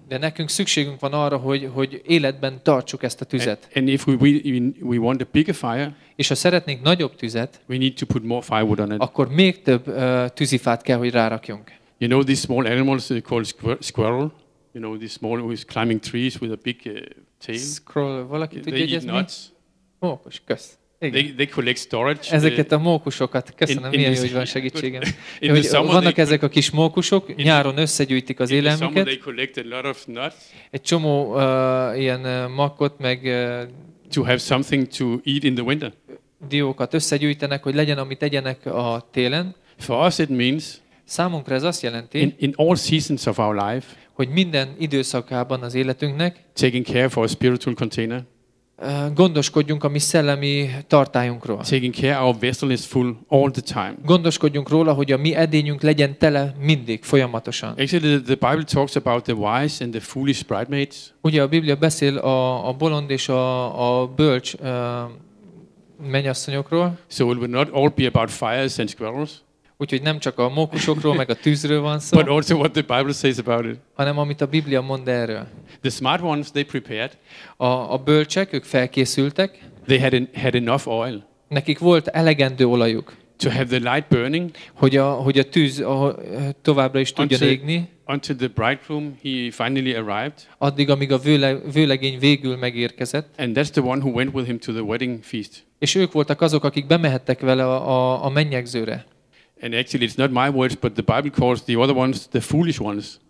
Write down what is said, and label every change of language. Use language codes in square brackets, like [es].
[hu] De nekünk szükségünk van arra, hogy életben tartsuk ezt a tüzet. [en] And if we want a bigger fire, [hu] és ha szeretnénk nagyobb tüzet, [en] we need to put more firewood on it. [hu] Akkor még több tűzifát kell, hogy rárakjunk. [en] You know these small animals called squirrel? You know these small who is climbing trees with a big tail? [hu] Squirrel, valaki tudja, hogy ez mi? Mókus, kösz. [en] They collect storage. [hu] Ezeket a mókusokat, köszönöm, milyen jó, hogy van segítségem. Vannak ezek a kis mókusok, nyáron összegyűjtik az élelmüket. [en] They collect a lot of nuts. [hu] Egy csomó ilyen makot, meg [en] to have something to eat in the winter. [hu] Diókat összegyűjtenek, hogy legyen, amit egyenek a télen. [en] For us it means, [hu] számunkra ez azt jelenti, [en] in all seasons of our life, [hu] hogy minden időszakában az életünknek [en] taking care for a spiritual container. [hu] Gondoskodjunk a mi szellemi tartályunkról. [en] Taking care our vessel is full all the time. [hu] Gondoskodjunk róla, hogy a mi edényünk legyen tele mindig, folyamatosan. [en] Actually, the Bible talks about the wise and the foolish bridesmaids. [hu] Ugye a Biblia beszél a bolond és a bölcs mennyasszonyokról. [en] So it will not all be about fires and squirrels. [hu] Úgyhogy nem csak a mókusokról, meg a tűzről van szó. [en] But also what the Bible says about it. [hu] Hanem amit a Biblia mond erről. [en] The smart ones, they prepared. [hu] A bölcsek, ők felkészültek. [en] They had enough oil. [hu] Nekik volt elegendő olajuk. [en] To have the light burning. [hu] Hogy a tűz továbbra is tudja égni. [en] Until the bridegroom he finally arrived. [hu] Addig, amíg a vőlegény végül megérkezett. [en] And that's the one who went with him to the wedding feast. [hu] És ők voltak azok, akik bemehettek vele a mennyegzőre. [en] And actually it's not my words but the Bible calls the other ones the foolish ones.